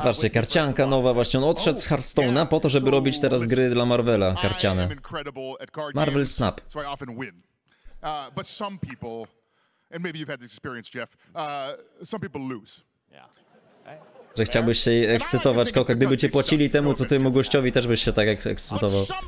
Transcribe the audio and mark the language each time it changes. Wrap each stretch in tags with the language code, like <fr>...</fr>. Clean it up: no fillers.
<pl>Patrzcie, karcianka nowa właśnie. On odszedł z Hearthstone'a po to, żeby robić teraz gry dla Marvela, karciane.</pl> <en>Marvel Snap. So I often win. But some people, and maybe you've had this experience, Jeff. Some people lose. Yeah.</en> <pl>Że chciałbyś się ekscytować, Koka, gdyby cię płacili temu, co ty mu gościowi, też byś się tak ekscytował.</pl>